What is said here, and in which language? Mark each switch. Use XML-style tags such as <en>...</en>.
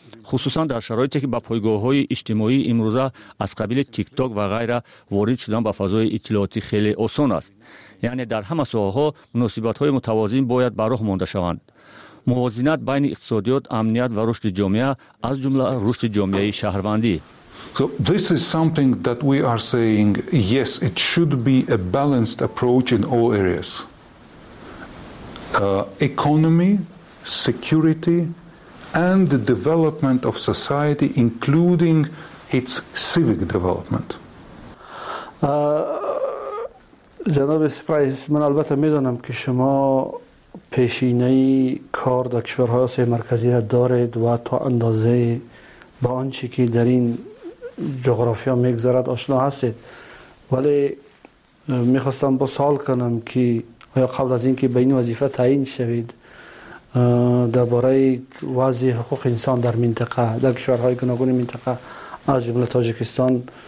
<fa>خصوصا در شرایطی که با پایگاه های اجتماعی امروزه از قبیل تیک تاک و غیره وارد شدن به فضای اطلاعاتی خیلی آسان است. یعنی در همه ساحه‌ها مناسبت های متوازن باید به راه مانده شوند. موازنت بین اقتصادیات، امنیت و رشد جامعه از جمله رشد جامعه شهروندی.</fa> <en>So this is something that we are saying, yes, it should be a balanced approach in all areas. Economy, security and the development of society, including its civic development.</en> <fa>جناب سپرایز، من البته میدونم که شما پیشینه کار در کشورهای آسیای مرکزی را دارید و تا اندازه با آنچه که در این جغرافیا میگذرد آشنا هستید، ولی میخواستم با سوال کنم که آیا قبل از اینکه به این وظیفه تعیین شوید درباره وضع حقوق انسان در منطقه، در کشورهای گوناگون منطقه از جمله تاجیکستان</fa>